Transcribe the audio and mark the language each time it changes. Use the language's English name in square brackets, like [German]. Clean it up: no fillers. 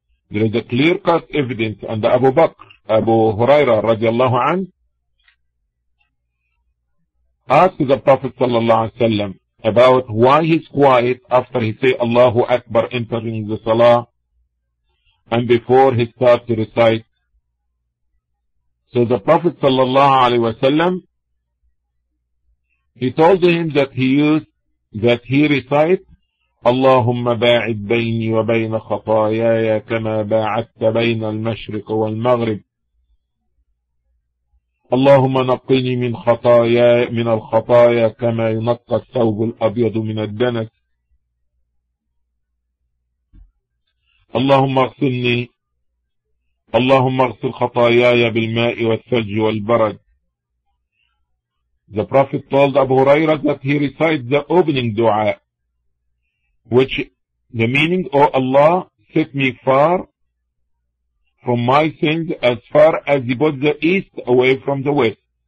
[English] There is a clear cut evidence on the Abu Bakr, Abu Huraira radiallahu anhu, asked the Prophet sallallahu alayhi wa sallam about why he's quiet after he say Allahu Akbar entering the Salah and before he start to recite. So the Prophet sallallahu alayhi wa sallam, he told him that he recite [Arabic] اللهم باعد بيني وبين خطاياي كما باعدت بين المشرق والمغرب، اللهم نقني من خطاياي من الخطايا كما ينقى الثوب الأبيض من الدنس، اللهم اغسل خطاياي بالماء والثلج والبرد. [English] The Prophet told Abu Huraira that he recited the opening dua, which the meaning, O Allah, set me far from my sins as far as you put the east away from the west.